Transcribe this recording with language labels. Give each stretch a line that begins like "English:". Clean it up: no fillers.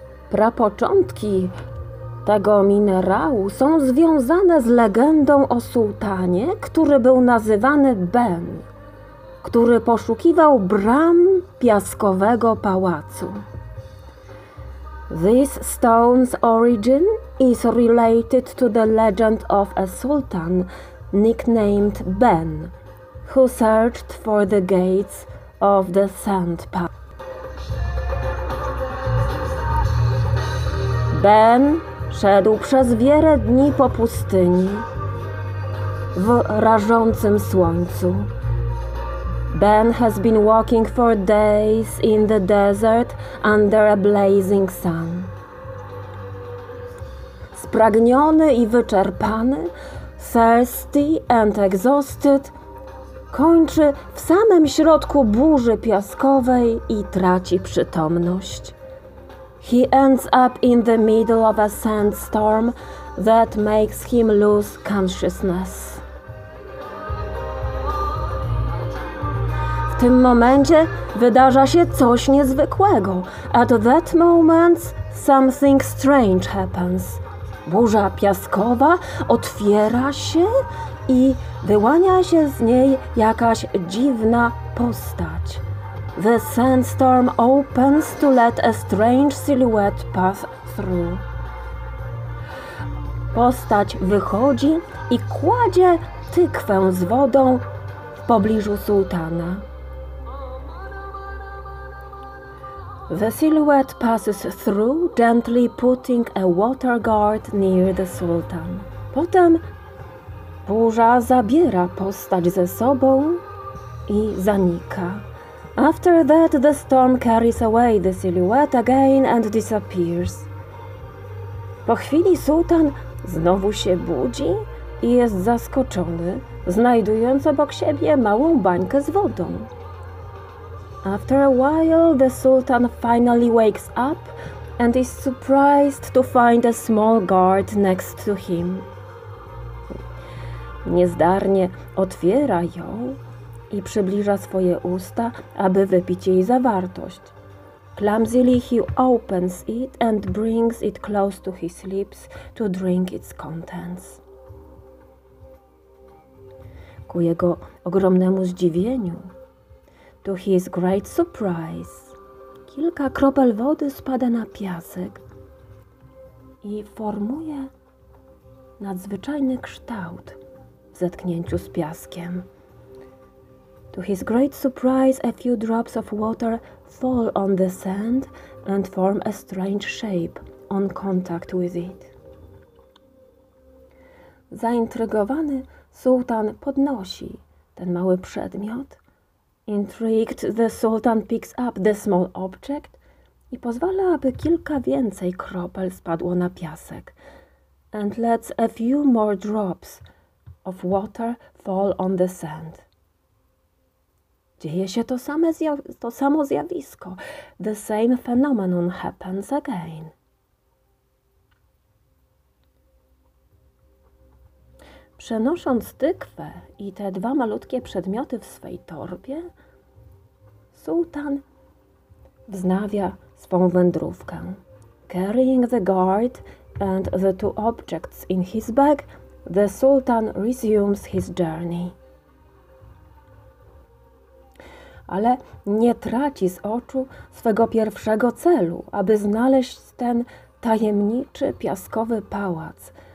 Polish: Prapoczątki tego minerału są związane z legendą o sułtanie, który był nazywany Ben, który poszukiwał bram piaskowego pałacu.
English: This stone's origin is related to the legend of a sultan nicknamed Ben, who searched for the gates of the sand palace.
Polish: Ben szedł przez wiele dni po pustyni w rażącym słońcu.
English: Ben has been walking for days in the desert under a blazing sun.
Polish: Spragniony i wyczerpany,
English: thirsty and exhausted,
Polish: kończy w samym środku burzy piaskowej i traci przytomność.
English: He ends up in the middle of a sandstorm that makes him lose consciousness.
Polish: W tym momencie wydarza się coś niezwykłego.
English: At that moment something strange happens.
Polish: Burza piaskowa otwiera się i wyłania się z niej jakaś dziwna postać.
English: The sandstorm opens to let a strange silhouette pass through.
Polish: Postać wychodzi i kładzie tykwę z wodą w pobliżu sułtana.
English: The silhouette passes through, gently putting a water guard near the sultan.
Polish: Potem burza zabiera postać ze sobą i zanika.
English: After that, the storm carries away the silhouette again and disappears.
Polish: Po chwili sułtan znowu się budzi i jest zaskoczony, znajdując obok siebie małą bańkę z wodą.
English: After a while, the sultan finally wakes up and is surprised to find a small guard next to him.
Polish: Niezdarnie otwiera ją i przybliża swoje usta, aby wypić jej zawartość.
English: Clumsily he opens it and brings it close to his lips to drink its contents.
Polish: Ku jego ogromnemu zdziwieniu,
English: to his great surprise,
Polish: kilka kropel wody spada na piasek i formuje nadzwyczajny kształt w zetknięciu z piaskiem.
English: To his great surprise, a few drops of water fall on the sand and form a strange shape on contact with it.
Polish: Zaintrygowany sultan podnosi ten mały przedmiot.
English: Intrigued, the sultan picks up the small object
Polish: i pozwala, aby kilka więcej kropel spadło na piasek
English: and lets a few more drops of water fall on the sand.
Polish: Dzieje się to samo zjawisko.
English: The same phenomenon happens again.
Polish: Przenosząc tykwę i te dwa malutkie przedmioty w swej torbie, sułtan wznawia swą wędrówkę.
English: Carrying the guard and the two objects in his bag, the sultan resumes his journey.
Polish: Ale nie traci z oczu swego pierwszego celu, aby znaleźć ten tajemniczy piaskowy pałac.